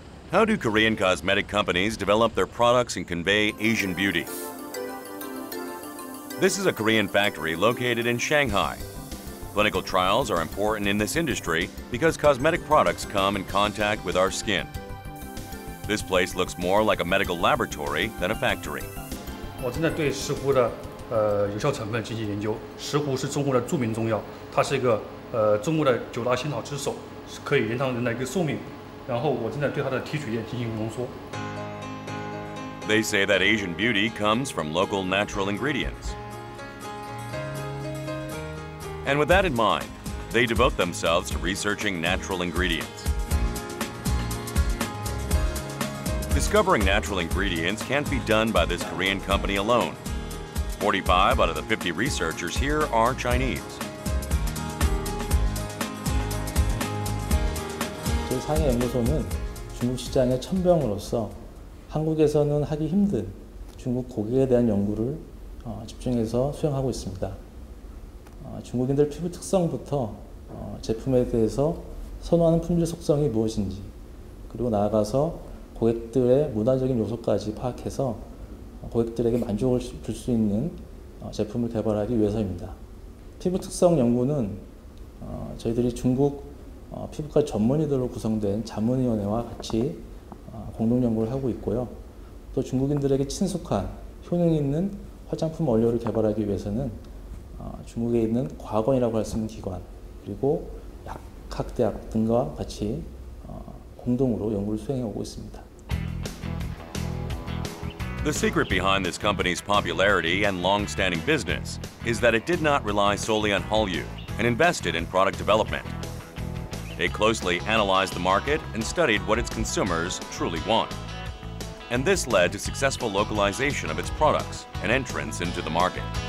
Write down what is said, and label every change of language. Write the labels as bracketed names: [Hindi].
[English] How do Korean cosmetic companies develop their products and convey Asian beauty? This is a Korean factory located in Shanghai. Clinical trials are important in this industry because cosmetic products come in contact with our skin. This place looks more like a medical laboratory than a factory. [Chinese] 我正在对石斛的有效成分进行研究。石斛是中国的著名中药，它是一个中国的九大仙草之首，是可以延长人的一个寿命。然后我正在对它的提取液进行浓缩。 [English] They say that Asian beauty comes from local natural ingredients. And with that in mind, they devote themselves to researching natural ingredients. Discovering natural ingredients can't be done by this Korean company alone. 45 out of the 50 researchers here are Chinese. [Korean] 저희상해연구소는중국시장의천병으로서한국에서는하기힘든중국고객에대한연구를집중해서수행하고있습니다 중국인들 피부 특성부터 제품에 대해서 선호하는 품질 속성이 무엇인지 그리고 나아가서 고객들의 문화적인 요소까지 파악해서 고객들에게 만족을 줄 수 있는 제품을 개발하기 위해서입니다. 피부 특성 연구는 저희들이 중국 피부과 전문의들로 구성된 자문위원회와 같이 공동 연구를 하고 있고요. 또 중국인들에게 친숙한 효능 있는 화장품 원료를 개발하기 위해서는 중국에 있는 과건이라고 할 수 있는 기관 그리고 약학대학 등과 같이 공동으로 연구를 수행해 오고 있습니다. [English] The secret behind this company's popularity and long-standing business is that it did not rely solely on Hallyu and invested in product development. They closely analyzed the market and studied what its consumers truly want. And this led to successful localization of its products and entrance into the market.